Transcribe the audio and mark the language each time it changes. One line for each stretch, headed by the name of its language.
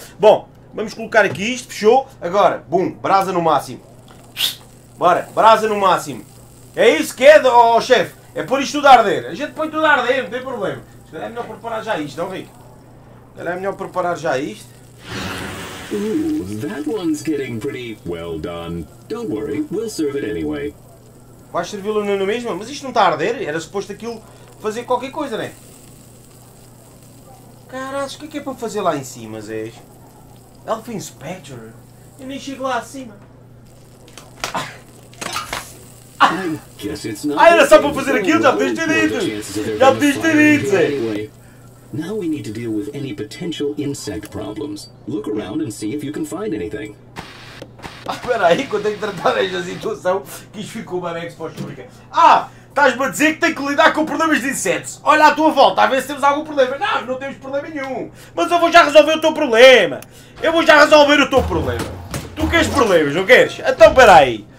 Portuguese: Bom, vamos colocar aqui isto, fechou? Agora, bum, brasa no máximo. Bora, brasa no máximo. É isso que é, oh chef? É pôr isto tudo a arder. A gente põe tudo a arder, não tem problema. Se calhar é melhor preparar já isto, não, Rick? Se calhar é melhor preparar já isto.
English: Ooh, that one's getting pretty well done. Don't worry, we'll serve it anyway.
Portuguese: Vais servi-lo no mesmo? Mas isto não está a arder? Era suposto aquilo fazer qualquer coisa, não é? Caralho, o que é para fazer lá em cima, Zé?
English: Elf Inspector?
Portuguese: Eu nem chego lá acima. Ah, era só para fazer aquilo? Já podias ter dito! Já podias ter dito, Zé!
English: Now we need to deal with any potential insect problems. Look around and see if you can find anything.
Portuguese: Ah, espera aí, quando tenho que tratar desta situação, que isto ficou uma mega exposta. Ah, estás-me a dizer que tenho que lidar com problemas de insetos. Olha à tua volta, a ver se temos algum problema. Não, não temos problema nenhum. Mas eu vou já resolver o teu problema. Eu vou já resolver o teu problema. Tu queres problemas, não queres? Então, espera aí.